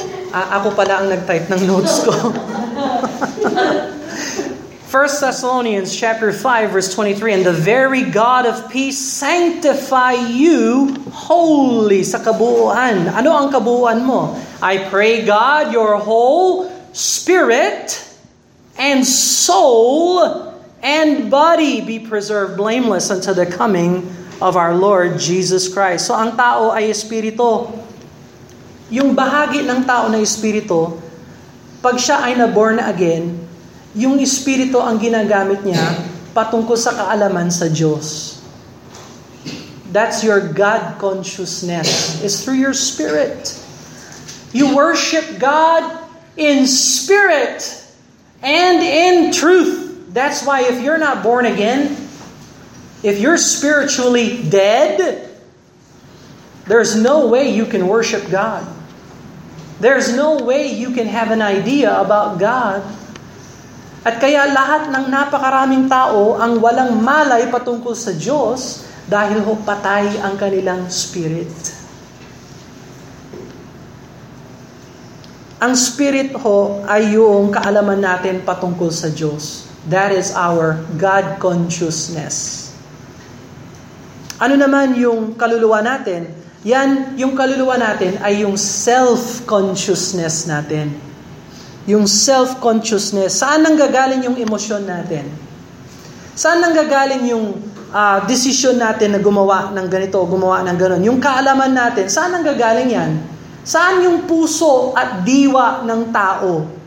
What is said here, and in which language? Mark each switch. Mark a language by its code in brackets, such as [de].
[tl] Ako pala ang nag-type ng notes ko. [en] 1 Thessalonians chapter 5 verse 23, and the very God of peace sanctify you wholly. [tl] Sa kabuuan. Ano ang kabuuan mo? [en] I pray God your whole spirit and soul and body be preserved blameless until the coming of our Lord Jesus Christ. [tl] So ang tao ay espiritu. Yung bahagi ng tao na espiritu, pag siya ay naborn again, yung espiritu ang ginagamit niya patungkol sa kaalaman sa Diyos. [en] That's your God consciousness. It's through your spirit. You worship God in spirit and in truth. That's why if you're not born again, if you're spiritually dead, there's no way you can worship God. There's no way you can have an idea about God. [tl] At kaya lahat ng napakaraming tao ang walang malay patungkol sa Diyos dahil ho patay ang kanilang spirit. Ang spirit ho ay yung kaalaman natin patungkol sa Diyos. [en] That is our God consciousness. [tl] Ano naman yung kaluluwa natin? Yan, yung kaluluwa natin ay yung self-consciousness natin. Yung self-consciousness. Saan nang gagaling yung emosyon natin? Saan nang gagaling yung decision natin na gumawa ng ganito o gumawa ng ganon? Yung kaalaman natin, saan nang gagaling yan? Saan yung puso at diwa ng tao?